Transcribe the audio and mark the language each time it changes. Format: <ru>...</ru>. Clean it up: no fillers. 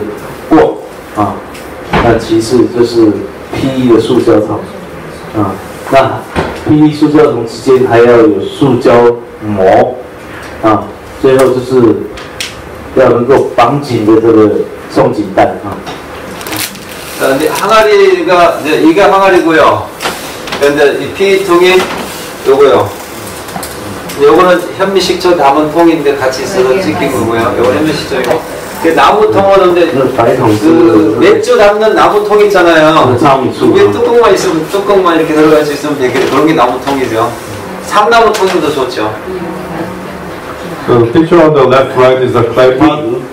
<zh>那要制作离床盖，它需要用的就是最好就是布啊，那其次就是 PE 的塑胶套啊，那 PE 塑胶桶之间还要有塑胶膜啊，最后就是要能够绑紧的这个送紧带啊。</zh> <ko>항아리가 이제 이게 항아리고요. 근데 이 PE 통이 요거요. 요거는 현미식초 담은 통인데 같이 쓰는 찍힌 거고요. 요 현미식초이고. 그 나무통은 근데 그 맥주 담는 나무통 있잖아요. 그게 뚜껑만 있으면 뚜껑만 이렇게 들어갈 수 있으면 되게 그런 게 나무통이죠. 삼나무통도 좋죠.</ko> <en>The picture on the left right is the clay pot.</en>